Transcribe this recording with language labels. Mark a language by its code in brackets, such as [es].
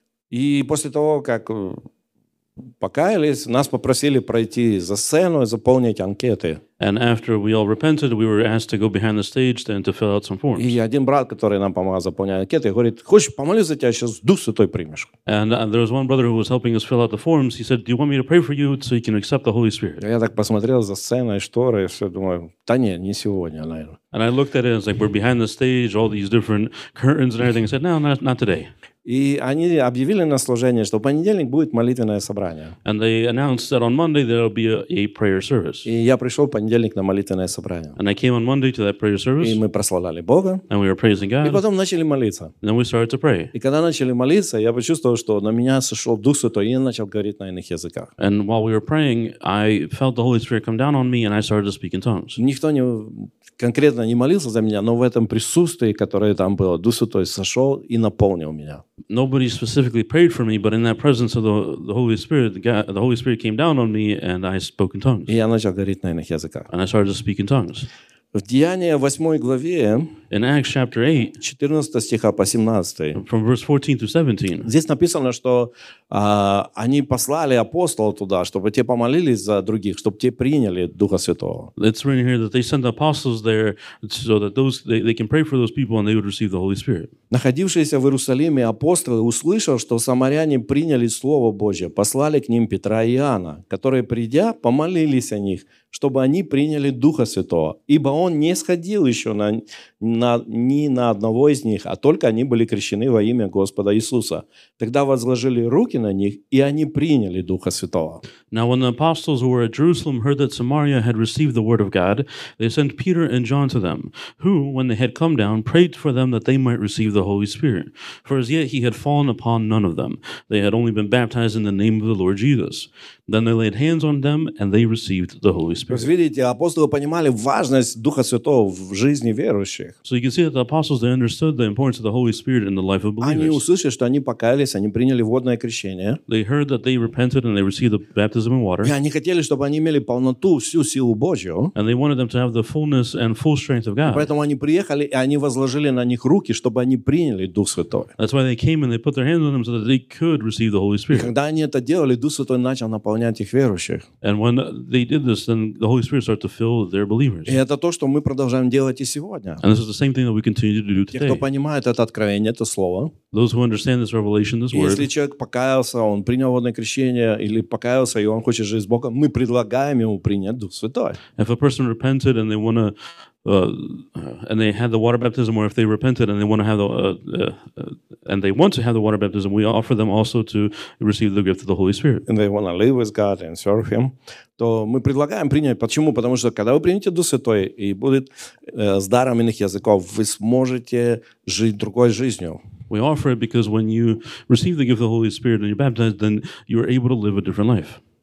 [ru] И после того, как покаялись, нас попросили пройти за сцену и заполнить анкеты. [en] And after we all repented, we were asked to go behind the stage then to fill out some forms. [ru] И один брат, который нам помогал заполнять анкеты, говорит: хочешь, помолюсь за тебя, сейчас Дух Святой примешь. [en] And there was one brother who was helping us fill out the forms. He said, do you want me to pray for you so you can accept the Holy Spirit? [ru] Я так посмотрел за сценой, шторы, и все, думаю, да нет, не сегодня, наверное. [en] And I looked at it, and it's like, we're behind the stage, all these different curtains and everything. I said, no, not today. [ru] И они объявили на служение, что в понедельник будет молитвенное собрание. [en] And they announced that on Monday there will be a prayer service. [ru] И я пришел в понедельник на молитвенное собрание. [en] And I came on Monday to that prayer service. [ru] И мы прославляли Бога. [en] And we were praising God. [ru] И потом начали молиться. [en] And then we started to pray. [ru] И когда начали молиться, я почувствовал, что на меня сошел Дух Святой, и я начал говорить на иных языках. [en] And while we were praying, I felt the Holy Spirit come down on me, and I started to speak in tongues. [ru] Никто не конкретно не молился за меня, но в этом присутствии, которое там было, Дух Святой сошел и наполнил меня. [en] Nobody specifically prayed for me, but in that presence of the Holy Spirit, the Holy Spirit came down on me and I spoke in tongues. [ru] И я начал говорить на иных языках. [en] And I started to speak in tongues. [ru] В Деяния 8 главе, [en] in Acts chapter 8, [ru] 14 стиха по 17, [en] from verse 14 to 17, [ru] здесь написано, что они послали апостолов туда, чтобы те помолились за других, чтобы те приняли Духа Святого. [en] It's written here that they sent apostles there so that those they can pray for those people and they would receive the Holy Spirit. [ru] Находившиеся в Иерусалиме апостолы услышав, что самаряне приняли Слово Божье, послали к ним Петра и Иоанна, которые, придя, помолились о них, чтобы они приняли Духа Святого, ибо он не сходил еще ни на одного из них, а только они были крещены во имя Господа Иисуса. Тогда возложили руки на них, и они приняли Духа Святого. [en] Now when the apostles who were at Jerusalem heard that Samaria had received the word of God, they sent Peter and John to them, who, when they had come down, prayed for them that they might receive the Holy Spirit. For as yet he had fallen upon none of them. They had only been baptized in the name of the Lord Jesus. Then they laid hands on them, and they received the Holy Spirit. [ru] То есть, видите, апостолы понимали важность Духа Святого в жизни верующих. [en] So you can see that the apostles, they understood the importance of the Holy Spirit in the life of believers. [ru] Они услышали, что они покаялись, они приняли водное крещение. [en] They heard that they repented, and they received the baptism in water. [ru] И они хотели, чтобы они имели полноту, всю силу Божью. [en] And they wanted them to have the fullness and full strength of God. [ru] Поэтому они приехали, и они возложили на них руки, чтобы они приняли Дух Святой. [en] That's why they came, and they put their hands on them, so that they could receive the Holy Spirit. [ru] И когда они это делали, Дух Святой начал наполнять. [en] And when they did this, then the Holy Spirit started to fill their believers. [ru] И это то, что мы продолжаем делать и сегодня. [en] And this is the same thing that we continue to do today. [ru] Те, кто понимает это откровение, это слово. [en] Those who understand this revelation, this word. [ru] Если человек покаялся, он принял водное крещение, или покаялся, и он хочет жить с Богом, мы предлагаем ему принять Дух Святой. [en] If a person repented and they want to, and they had the water baptism, or if they repented and they want to have the, and they want to have the water baptism, we offer them also to receive the gift of the Holy Spirit. And they want to live with God and serve Him. [ru] То мы предлагаем принять. Почему? Потому что когда вы примете Дух Святой и будет с даром иных языков, вы сможете жить другой жизнью. [en] We offer it because when you receive the gift of the Holy Spirit and you're baptized, then you are able to live a different life.